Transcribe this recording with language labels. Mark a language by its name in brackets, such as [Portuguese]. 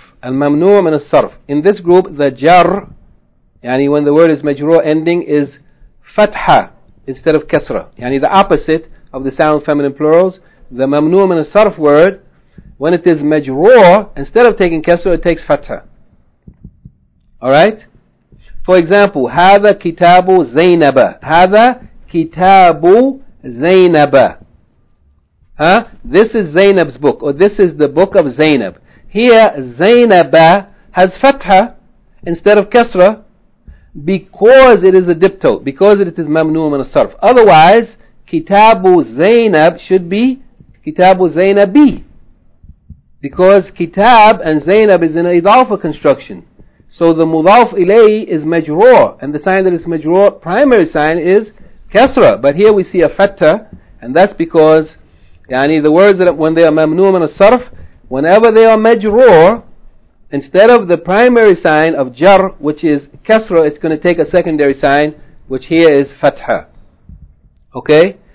[English] Al-mamnu' min al-sarf. In this group, the jar, yani when the word is majrur ending, is fatha instead of kasra. Yani the opposite of the sound feminine plurals, the mamnu' min al-sarf word, when it is majroor, instead of taking kasra, it takes fatha. Alright? [Arabic] For example, هذا كتاب زينب. هذا كتاب زينب. Huh? [English] This is Zainab's book, or this is the book of Zainab. Here, زينب has fatha instead of kasra because it is a diptote, because it is mamnu' min al-sarf. Otherwise, كتاب زينب should be كتاب زينبي. Because kitab and zainab is an idhafa construction. So the mudhaf ilayhi is majroor. And the sign that is majroor, primary sign is kasra. But here we see a fatha. And that's because, yani the words that when they are mamnum and a sarf, whenever they are majroor, instead of the primary sign of jar, which is kasra, it's going to take a secondary sign, which here is fatha. Okay?